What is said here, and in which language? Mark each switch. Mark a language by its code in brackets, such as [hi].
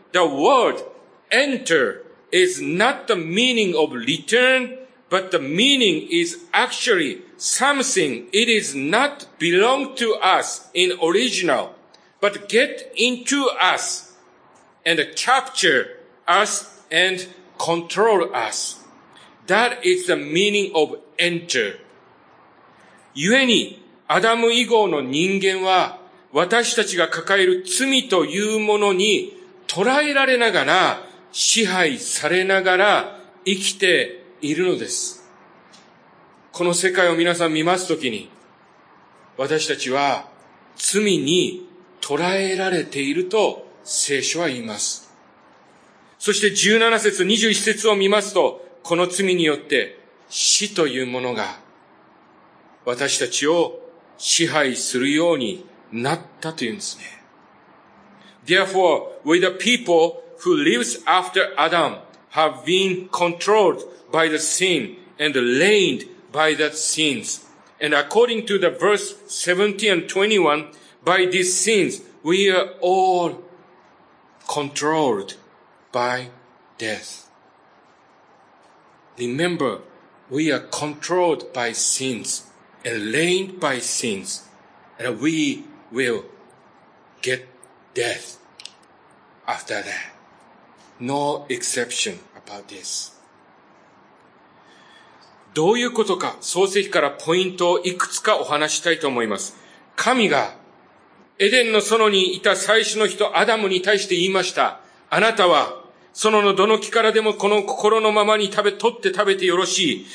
[en] The word enter. Is not the meaning of return, but the meaning is actually something it is not belong to us in original, but get into us and capture us and control us. That is the meaning of enter. [ja] 故に、アダム以降の人間は私たちが抱える罪というものに捉えられながら支配されながら生きているのです。この世界を皆さん見ますときに、私たちは罪に捉えられていると聖書は言います。そして17節、21節を見ますと、この罪によって死というものが私たちを支配するようになったというんですね。 [en] Therefore, we the people,Who lives after Adam have been controlled by the sin and reigned by that sins. And according to the verse 17 and 21, by these sins, we are all controlled by death. Remember, we are controlled by sins and reigned by sins, and we will get death after that. no exception about this. [ja] どういうことか、創世記からポイントをいくつかお話したいと思います。神がエデンの園にいた最初の人アダムに対して言いました。あなたは園のどの木からでもこの心のままに取って食べてよろしい。